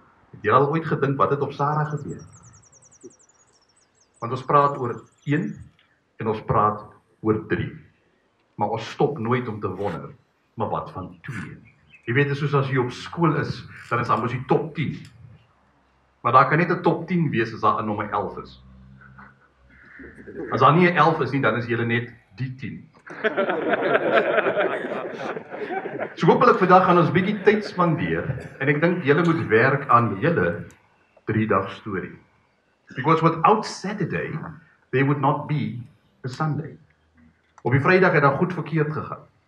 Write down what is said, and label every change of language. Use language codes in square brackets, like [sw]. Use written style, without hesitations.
[af] Het jy al ooit gedink wat het op Sarah gebeur? Want ons praat oor 1 en ons praat oor 3. Maar ons stop nooit om te wonder, maar wat van 2? Jy weet, soos as jy op skool is, dan is daar mos die top 10. Maar daar kan net 'n top 10 wees as daar 'n nommer 11 is. As daar nie 'n 11 is nie, dan is jy net die 10. So hopelik vandag gaan ons 'n bietjie tyd spandeer en ek dink julle moet werk aan julle 3-dag storie. [en] Because without Saturday, there would not be a Sunday. [af] Op die Vrydag het dan goed verkeerd gegaan.